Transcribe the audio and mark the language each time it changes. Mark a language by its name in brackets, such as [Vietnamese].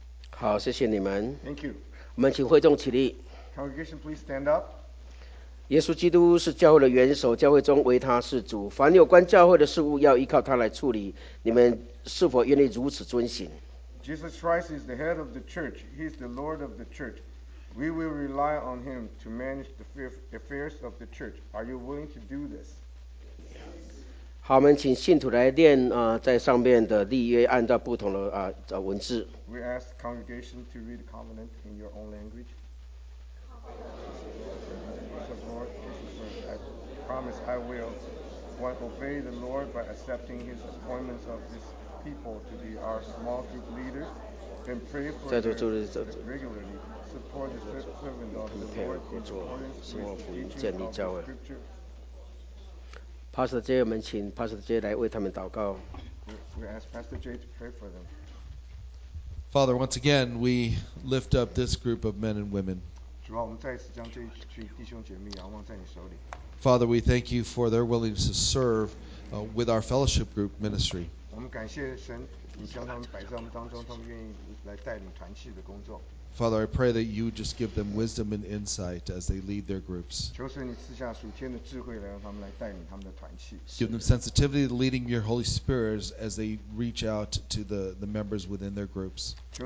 [Chinese] 好，谢谢你们。 [English] Thank you. [Chinese] 我们请会众起立。 [English] Congregation, please stand up. [Chinese] 耶稣基督是教会的元首，教会中唯他是主。凡有关教会的事物，要依靠他来处理。你们是否愿意如此遵行？ [English] Jesus Christ is the head of the church. He is the Lord of the church. We will rely on him to manage the affairs of the church. Are you willing to do this? [Chinese] 好，我们请信徒来念在上面的立约，按照不同的文字。 [English] We ask congregation to read the covenant in your own language. Lord, I promise I will, one, obey the Lord by accepting his appointments of this people to be our small group leaders and pray for them regularly. Support the servant of the Lord in accordance with the teaching of scripture. [Chinese] Pastor J, 我们请 Pastor J 来为他们祷告。 [English] We ask Pastor J to pray for them. Father, once again, we lift up this group of men and women. [Chinese] 主啊，我们再次将这群弟兄姐妹仰望在你手里。 [English] Father, we thank you for their willingness to serve with our fellowship group ministry. [Chinese] 我们感谢神，你将他们摆在我们当中，他们愿意来带领团契的工作。 [English] Father, I pray that you just give them wisdom and insight as they lead their groups. Give them sensitivity to leading your Holy Spirit as they reach out to the members within their groups.